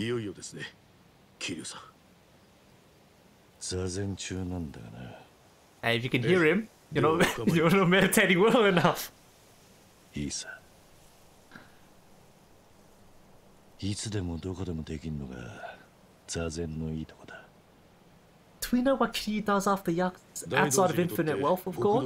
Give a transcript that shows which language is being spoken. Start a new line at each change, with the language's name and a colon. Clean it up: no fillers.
Japanese: いよいよですね、キリュウさん。座禅中なんだがな。
English: Hey, if you can hear him, you're not meditating well enough.
Japanese: いいさ。いつでもどこでもできるのが座禅のいいとこだ。
English: Do we know what Kiryu does after the outside of infinite wealth of